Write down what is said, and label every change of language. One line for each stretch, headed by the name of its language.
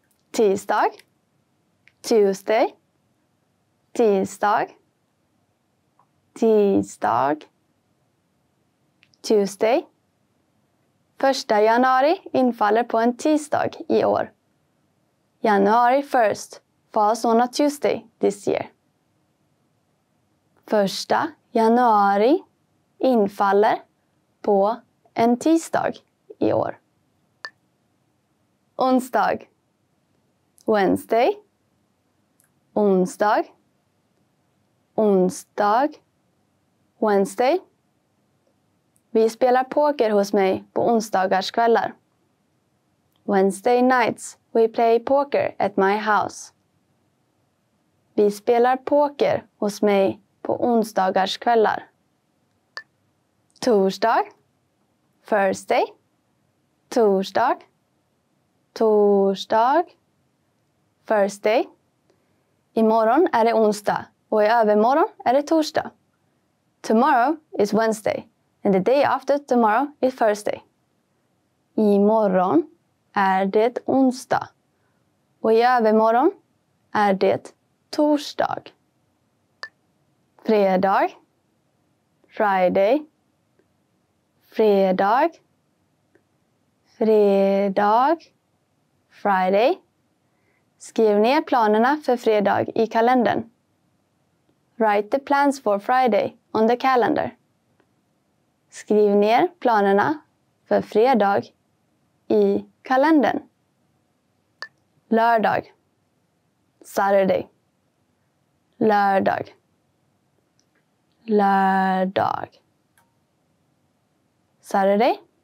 Swedish: Tisdag.
English: Tuesday.
Swedish: Tisdag. Tisdag.
English: Tuesday.
Swedish: Första januari infaller på en tisdag i år.
English: January 1st falls on a Tuesday this year.
Swedish: Första januari infaller på en tisdag i år. Onsdag.
English: Wednesday.
Swedish: Onsdag. Onsdag. Wednesday. Vi spelar poker hos mig på onsdagarskvällar.
English: Wednesday nights we play poker at my house.
Swedish: Vi spelar poker hos mig på onsdagarskvällar. Torsdag.
English: Thursday.
Swedish: Torsdag. Torsdag.
English: Thursday.
Swedish: Imorgon är det onsdag och i övermorgon är det torsdag.
English: Tomorrow is Wednesday and the day after tomorrow is Thursday.
Swedish: Imorgon är det onsdag och i övermorgon är det torsdag. Fredag.
English: Friday.
Swedish: Fredag. Fredag.
English: Friday.
Swedish: Skriv ner planerna för fredag i kalendern.
English: Write the plans for Friday on the calendar.
Swedish: Skriv ner planerna för fredag i kalendern. Lördag.
English: Saturday.
Swedish: Lördag. Lördag.
English: Saturday.